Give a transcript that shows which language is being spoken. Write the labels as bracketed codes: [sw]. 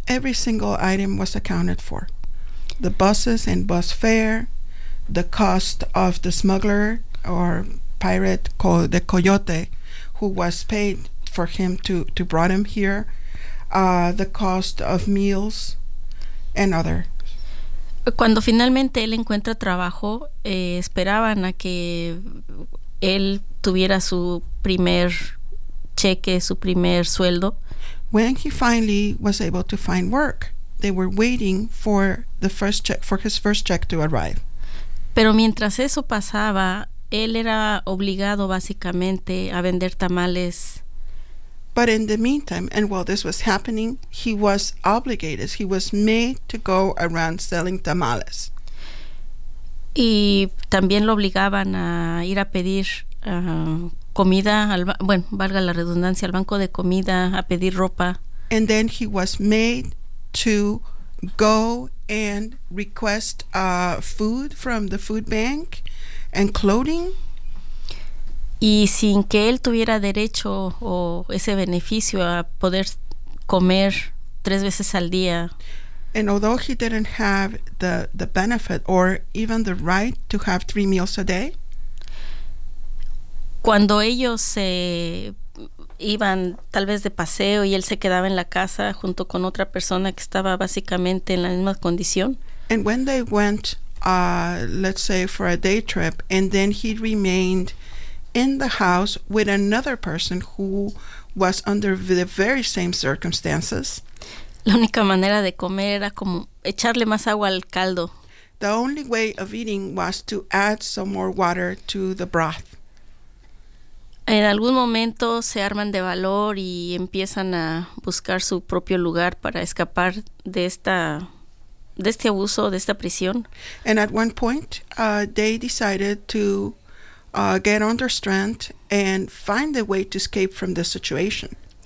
[en] Every single item was accounted for. The buses and bus fare, the cost of the smuggler or pirate called the coyote who was paid for him to brought him here, the cost of meals and other. [es] Cuando finalmente él encuentra trabajo, esperaban a que él tuviera su primer cheque, su primer sueldo. [en] When he finally was able to find work, they were waiting for the first check, for his first check to arrive. [es] Pero mientras eso pasaba, él era obligado básicamente a vender tamales. [en] But in the meantime, and while this was happening, he was obligated, he was made to go around selling tamales. [es] Y también lo obligaban a ir a pedir comida al valga la redundancia, al banco de comida, a pedir ropa. [en] And then he was made to go and request food from the food bank and clothing. [es] Y sin que él tuviera derecho o ese beneficio a poder comer tres veces al día. [en] And although he didn't have the benefit or even the right to have three meals a day. [es] Cuando ellos se iban tal vez de paseo y él se quedaba en la casa junto con otra persona que estaba básicamente en la misma condición. [en] And when they went, let's say for a day trip, and then he remained in the house with another person who was under the very same circumstances. [es] La única manera de comer era como echarle más agua al caldo. [en] The only way of eating was to add some more water to the broth. [es] En algún momento se arman de valor y empiezan a buscar su propio lugar para escapar de esta de este abuso, de esta prisión. [en] And at one point, they decided to get on their strength and find a way to escape from the situation.